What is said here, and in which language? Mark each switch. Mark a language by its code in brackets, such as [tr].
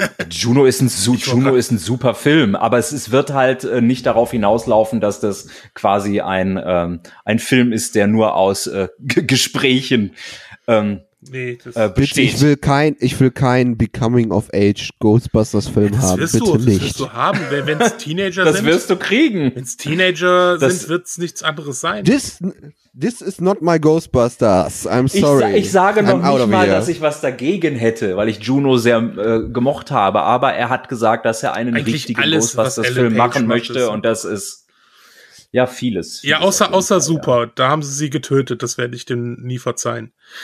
[de] Juno ist ein super Film, aber es wird halt nicht darauf hinauslaufen, dass das quasi ein Film ist, der nur aus Gesprächen besteht. Ich will kein [en] Becoming of Age [de] Ghostbusters Film haben. Das wirst du haben, wenn es Teenager das sind. Das wirst du kriegen. Wenn es Teenager das sind, wird es nichts anderes sein. [en] This is not my Ghostbusters. I'm sorry. [de] Ich sage noch nicht mal, dass ich was dagegen hätte, weil ich Juno sehr gemocht habe. Aber er hat gesagt, dass er einen eigentlich richtigen alles, Ghostbusters-Film machen möchte. Und das ist, ja, vieles. Ja, außer Fall, super. Ja. Da haben sie sie getötet. Das werde ich dem nie verzeihen.